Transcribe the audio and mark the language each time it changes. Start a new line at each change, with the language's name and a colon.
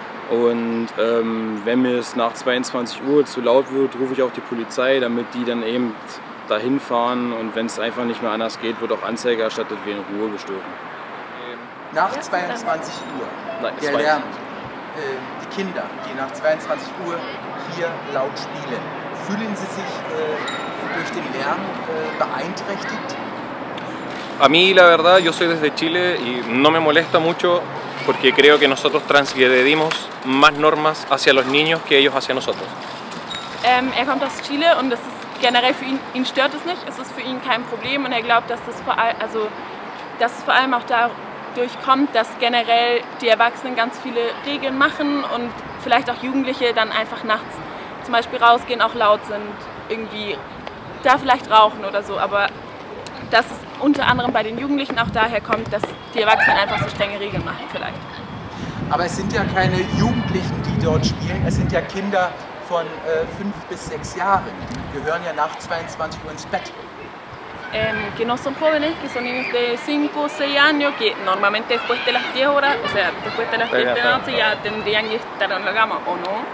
German: Und wenn mir es nach 22 Uhr zu laut wird, rufe ich auch die Polizei, damit die dann eben dahin fahren und wenn es einfach nicht mehr anders geht, wird auch Anzeige erstattet, wie in Ruhe gestört. Nach 22 Uhr, der Lärm, die Kinder, die nach 22 Uhr hier laut spielen, fühlen Sie sich durch den Lärm beeinträchtigt?
Spanish: A mí, la verdad, yo soy desde Chile y no me molesta mucho, porque creo que nosotros transgredimos más normas hacia los niños que ellos hacia nosotros.
German: Er kommt aus Chile und das ist generell für ihn, ihn stört es nicht, es ist für ihn kein Problem und er glaubt, dass das vor allem, also, dass es vor allem auch dadurch kommt, dass generell die Erwachsenen ganz viele Regeln machen und vielleicht auch Jugendliche dann einfach nachts zum Beispiel rausgehen, auch laut sind, irgendwie da vielleicht rauchen oder so, aber dass es unter anderem bei den Jugendlichen auch daher kommt, dass die Erwachsenen einfach so strenge Regeln machen vielleicht. Aber es sind ja keine Jugendlichen, die dort spielen, es sind ja Kinder von 5 bis 6 Jahren. Gehören ja nach 22 Uhr ins Bett.
Spanish: Que no son jóvenes, que son de 5 o 6 años, que normalmente después de las 10 horas, o sea, después de las 10 de la noche ya tendrían que estar en la cama, ¿o no?